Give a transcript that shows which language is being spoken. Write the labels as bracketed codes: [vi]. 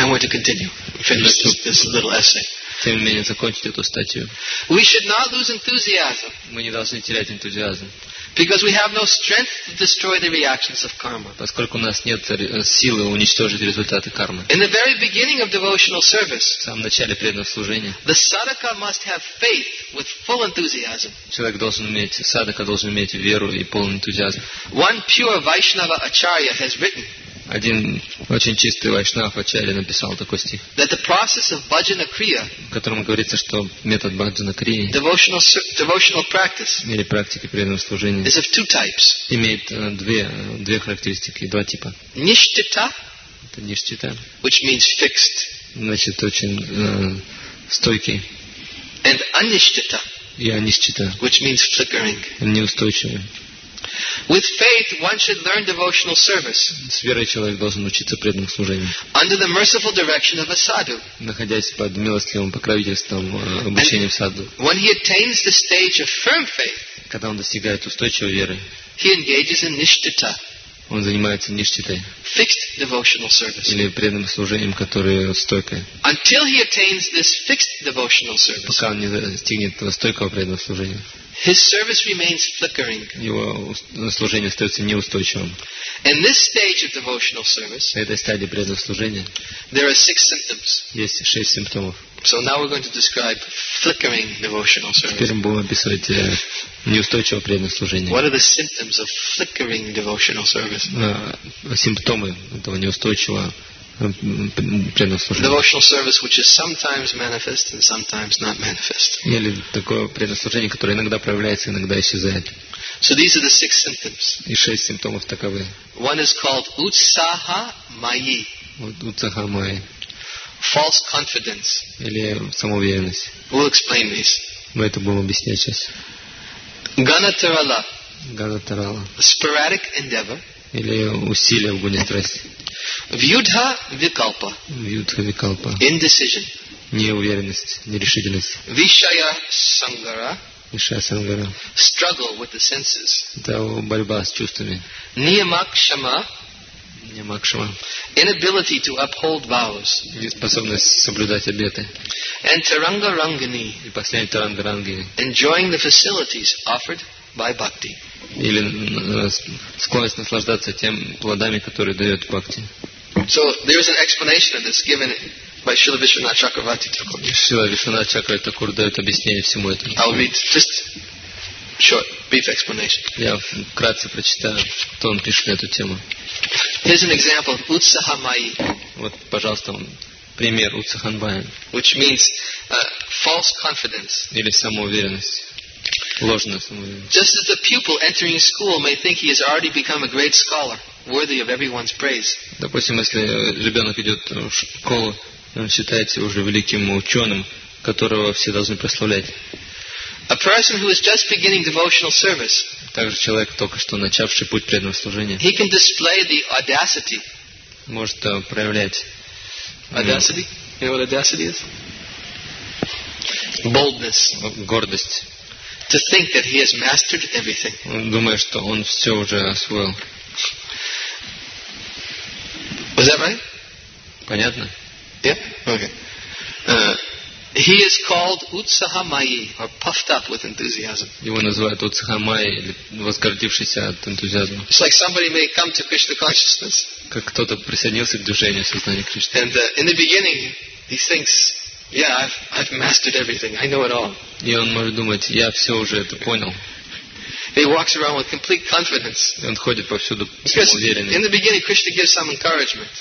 [en] I'm going to continue. Finish this little essay. [ru] Тем не менее, закончить эту статью. [en] We should not lose enthusiasm. [ru] Мы не должны терять энтузиазм. [en] Because we have no strength to destroy the reactions of karma. [ru] Поскольку у нас нет силы уничтожить результаты кармы. [en] In the very beginning of devotional service, [ru] в самом начале преданного служения, [en] the sadhaka must have faith with full enthusiasm. [ru] Человек должен иметь, садхака должен иметь веру и полный энтузиазм. [en] One pure Vaishnava acharya has written, [ru] один очень чистый вайшнав ачарья написал такой стих, [en] that the process of bhajana kriya, [ru] в котором говорится, что метод bhajana kriya, [en] devotional practice, [ru] или практики преданного служения, [en] is of two types, [ru] имеет две характеристики, два типа. [en] Ништита, [ru] это ништита, [en] which means fixed [ru] значит, очень стойкий. [en] And anishchita. [ru] И anishchita. [en] Which means flickering. [ru] Неустойчивый. [en] With faith, one should learn devotional service. [ru] С верой человек должен учиться преданному служению. [en] Under the merciful direction of a sadhu. [ru] Находясь под милостливым покровительством обучения саду. [en] When he attains the stage of firm faith. [ru] Когда он достигает устойчивой веры. [en] He engages in nishchita. [ru] Он занимается ништитой. [en] Fixed devotional service. [ru] Или преданным служением, которое стойкое. [en] Until he attains this fixed devotional service. [ru] Пока он не достигнет стойкого преданного служения. [en] His service remains flickering. [ru] Его служение остается неустойчивым. [en] In this stage of devotional service, [ru] на этой стадии преданного служения, [en] there are six symptoms. [ru] Есть шесть симптомов. [en] So now we're going to describe flickering devotional service. [ru] Теперь мы будем описывать неустойчивое преданное служение. [en] What are the symptoms of flickering devotional service? [ru] Симптомы этого неустойчивого преданного служения. [en] Devotional service, which is sometimes manifest and sometimes not manifest. [ru] Или такое преданное служение, которое иногда проявляется, иногда исчезает. [en] So these are the six symptoms. [ru] И шесть симптомов таковы. [en] One is called utsaha mayi. [ru] Utsaha mayi. [en] False confidence. [ru] Или самоуверенность. [en] We'll explain these. [ru] Мы это будем объяснять сейчас. [en] Ganatarala. [ru] Ganatarala. [en] Sporadic endeavor. [ru] Или усилия в гуне страсти. [en] Вьюдха викалпа. [ru] Вьюдха викалпа. [en] Indecision. [ru] Неуверенность, нерешительность. [en] Вишая сангара. [ru] Вишая сангара. [en] Struggle with the senses. [ru] Да, борьба с чувствами. [en] Ниямакшама. [ru] Ниямакшама. [en] Inability to uphold vows. [ru] Неспособность соблюдать обеты. [en] And таранга рангани. [ru] И последний таранга рангани. [en] Enjoying the facilities offered by bhakti. [ru] Или склонность наслаждаться тем плодами, которые дает бхакти. [en] So there is an explanation of this given by Śrīla Viṣvanātha Chakravarti Thakur. [ru] Śrīla Viṣvanātha Chakravarti Thakur дает объяснение всему этому. [en] I'll read just short, brief explanation. [ru] Я вкратце прочитаю, что он пишет на эту тему. [en] Here's an example of utsaha mayi. [ru] Вот, пожалуйста, он. Пример utsaha mayi. [en] Which means false confidence. [ru] Или самоуверенность. [en] Just as the pupil entering school may think he has already become a great scholar, worthy of everyone's praise. [ru] Допустим, если ребенок идет в школу, он считается уже великим ученым, которого все должны прославлять. [en] A person who is just beginning devotional service. [ru] Также человек, только что начавший путь преданного служения. [en] He can display the audacity. [ru] Может проявлять. [en] Audacity? You know what audacity is? Boldness. [ru] Гордость. [en] To think that he has mastered everything. [ru] Он думает, что он все уже освоил. [en] Was that right? [ru] Понятно. [en] Yeah. Okay. He is called utsaha mayi, or puffed up with enthusiasm. [ru] Его называют utsaha mayi, или возгордившийся от энтузиазма. [en] It's like somebody may come to Krishna consciousness. [ru] Как кто-то присоединился к движению сознания Кришны. [en] And in the beginning, he thinks. Yeah, I've mastered everything. I know it all. [ru] И он может думать, я все уже это понял. [en] He walks around with complete confidence. [ru] И он ходит повсюду уверенно. [en] In the beginning, Krishna gives some encouragement.